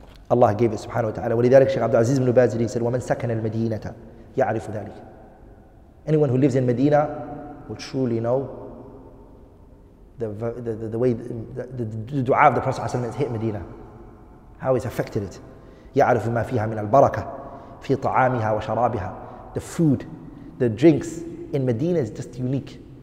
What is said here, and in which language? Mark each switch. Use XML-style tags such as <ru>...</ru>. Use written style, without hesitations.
<en>Allah gave it,</en> <ar>subhanahu wa ta'ala. وَلِذَلِكَ شَيْخَ عَبْدُ عَزِيزٍ بْنُ بَازِلِينَ</ar> <en>said,</en> <ar>وَمَنْ سَكَنَ الْمَدِينَةَ يَعْرِفُ ذَلِكَ.</ar> <en>Anyone who lives in Medina will truly know the way the dua of the Prophet has hit Medina, how it's affected it.</en> <ar>يعرف ما فيها من البركة في طعامها وشرابها.</ar> <en>The food, the drinks in Medina is just unique.</en>